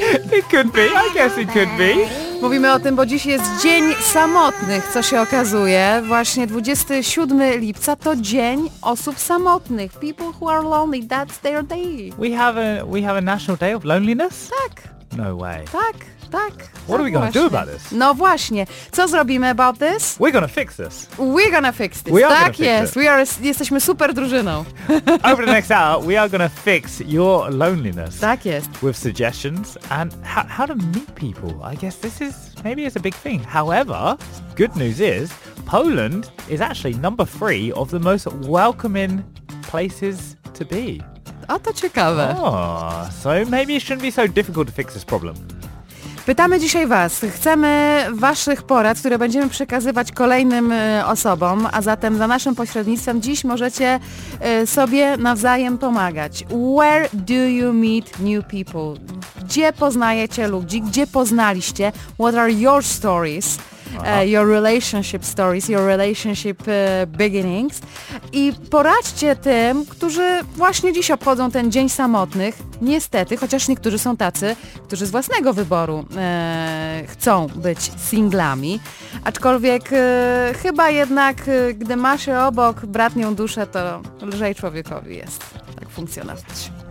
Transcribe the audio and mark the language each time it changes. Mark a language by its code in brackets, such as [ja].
[en] It could be, I guess it could be. [pl] Mówimy o tym, bo dziś jest Dzień Samotnych, co się okazuje. Właśnie 27 lipca to Dzień Osób Samotnych. [en] People who are lonely, that's their day. We have a National Day of Loneliness? [pl] Tak. [en] No way. [pl] Tak. Tak. [en] What are we going to do about this? [pl] No właśnie. Co zrobimy [en] about this? We're going to fix this. We're going to fix this. We are [pl] tak [en] fix [pl] jest. [en] It. We are, [pl] jesteśmy super drużyną. [en] Over the next hour, we are going to fix your loneliness. [pl] Tak jest. [en] With suggestions and how to meet people. I guess this is, maybe it's a big thing. However, good news is, Poland is actually number 3 of the most welcoming places to be. [pl] A to ciekawe. [en] Oh, so maybe it shouldn't be so difficult to fix this problem. [pl] Pytamy dzisiaj Was. Chcemy Waszych porad, które będziemy przekazywać kolejnym osobom, a zatem za naszym pośrednictwem dziś możecie sobie nawzajem pomagać. [en] Where do you meet new people? [pl] Gdzie poznajecie ludzi? Gdzie poznaliście? [en] What are your stories? Your relationship stories, your relationship beginnings. [pl] I poradźcie tym, którzy właśnie dziś obchodzą ten Dzień Samotnych, niestety, chociaż niektórzy są tacy, którzy z własnego wyboru chcą być singlami, aczkolwiek chyba jednak, gdy masz obok bratnią duszę, to lżej człowiekowi jest tak funkcjonować.